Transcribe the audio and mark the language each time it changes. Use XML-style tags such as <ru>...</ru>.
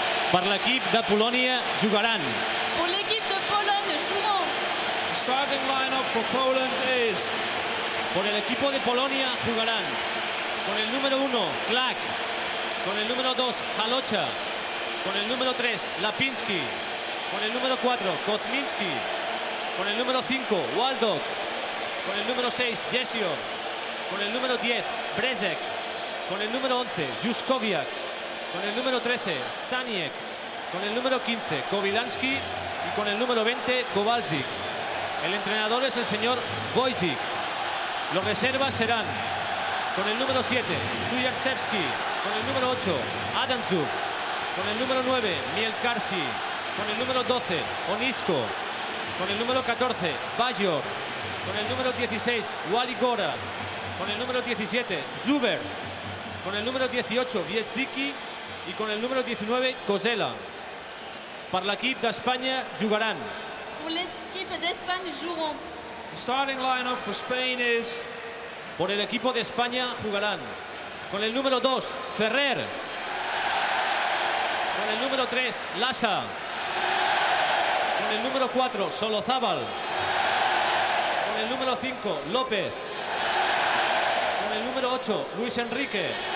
<ca>Per l'equip de Polònia jugaran. Per l'equip de Polònia jugaran.</ca> <en>The starting lineup for Poland is.</en> <es>Por el equipo de Polonia jugarán. Con el número 1, Clark. Con el número 2, Jalocha. Con el número 3, Lapinski. Con el número 4, Kozminski. Con el número 5, Waldock. Con el número 6, Jesio. Con el número 10, Brezek. Con el número 11, Juskowiak. Con el número 13, Staniek. Con el número 15, Kovilanski. Y con el número 20, Kowalczyk. El entrenador es el señor Wojcik. Los reservas serán con el número 7, Sujarzewski. Con el número 8, Adamczuk. Con el número 9, Mielkarski. Con el número 12, Onisko. Con el número 14, Bajor. Con el número 16, Waligora. Con el número 17, Zuber. Con el número 18, Wiesicki. Y con el número 19, Kozela. Para el equipo de España, jugarán. Por el equipo de España, jugarán.</es> <en>The starting lineup for Spain is.</en> <es>Por el equipo de España jugarán. Con el número 2, Ferrer. Con el número 3, Lasa. Con el número 4, Solozábal. Con el número 5, López. Con el número 8, Luis Enrique.</es>